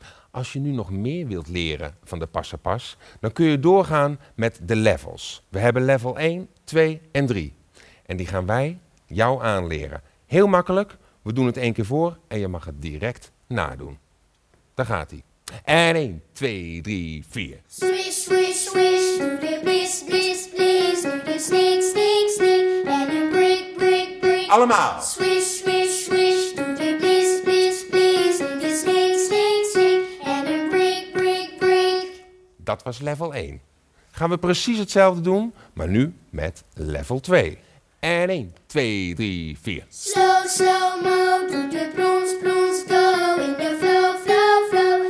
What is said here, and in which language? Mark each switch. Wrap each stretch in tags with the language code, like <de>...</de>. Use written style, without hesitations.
<nl>Als je nu nog meer wilt leren van de Passapas, dan kun je doorgaan met de levels. We hebben level 1, 2 en 3. En die gaan wij jou aanleren. Heel makkelijk. We doen het één keer voor en je mag het direct nadoen. Daar gaat hij. En 1, 2, 3, 4.</nl> <en>Swish, swish, swish, do the bliss, bliss, bliss, do the snake, snake, snake, and a brick, brick, brick.</en> <nl>Allemaal.</nl> <en>Swish, swish, swish, do the bliss, bliss, bliss, do the snake, snake, snake, and a brick, brick, brick.</en> <nl>Dat was level 1. Gaan we precies hetzelfde doen, maar nu met level 2. En 1, 2, 3, 4.</nl> <en>Slow, slow, mo, do the plons, plons, go, in the flow, flow, flow.</en>